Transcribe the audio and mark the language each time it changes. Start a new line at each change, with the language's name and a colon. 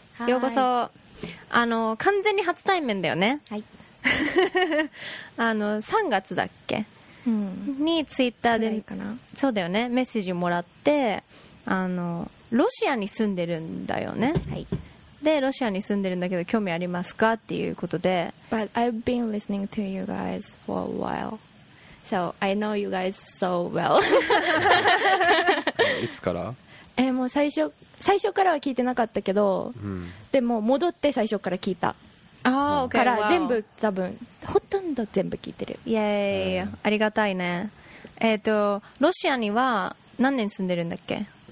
Japanese: ようこそ。完全に初対面だよね。はい。 3月だっけ、うん、にツイッターでかな、そうだよね、メッセージもらって、ロシアに住んでるんだよね。はい。でロシアに住んでるんだけど興味ありますかっていうことで。
English: But I've been listening to you guys for a while, so I know you guys so well.
Japanese: いつから？もう最初からは聞いてなかったけど、うん、でも戻って最初から聞いた。
English: あ、oh, okay.
Japanese: から全部、wow. 多分ほとんど全部聞いてる。イエーイ、ありがたいね。ロシアには何年住んでるんだっけ？